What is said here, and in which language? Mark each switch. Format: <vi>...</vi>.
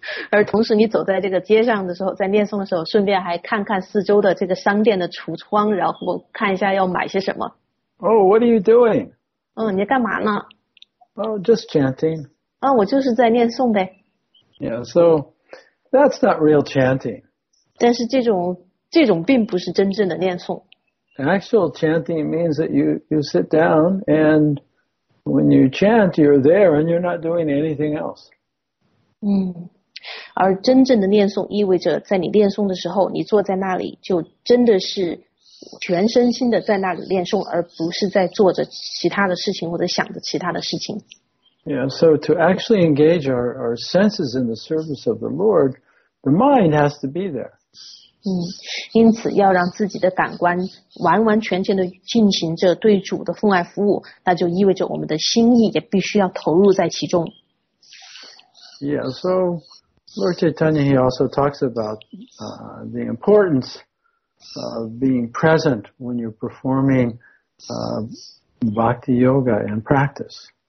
<zh>而同时你走在这个街上的时候，在念诵的时候，顺便还看看四周的这个商店的橱窗，然后看一下要买些什么。</zh> <en>Oh, what are you doing?</en> <zh>你在干嘛呢？</zh> <en>Oh, just chanting.</en> <zh>我就是在念诵呗。</zh> <en>Yeah, so that's not real chanting.</en> <zh>但是这种并不是真正的念诵。</zh> <en>Actual chanting means that you sit down, and when you chant, you're there and you're not doing anything else.</en> <zh>而真正的念诵意味着在你念诵的时候，你坐在那里就真的是全身心的在那里念诵，而不是在做着其他的事情或者想着其他的事情。</zh> <en>Yeah, so to actually engage our senses in the service of the Lord, the mind has to be there.</en> <zh>因此要让自己的感官完完全全的进行着对主的奉爱服务，那就意味着我们的心意也必须要投入在其中。</zh> <en>Yeah, so Lord Chaitanya, he also talks about the importanceof being present when you're performing bhakti yoga and practice.</en>